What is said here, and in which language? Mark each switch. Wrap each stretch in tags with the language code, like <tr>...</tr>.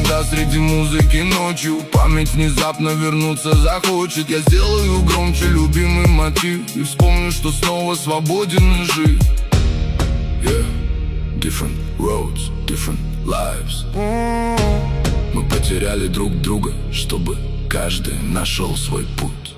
<ru>среди музыки ночью. Память внезапно вернуться захочет. Я сделаю громче любимый мотив и вспомню, что снова свободен и жив.</ru> <en>Yeah, different roads, different lives.</en> <ru>Мы потеряли друг друга, чтобы каждый нашел свой путь.</ru>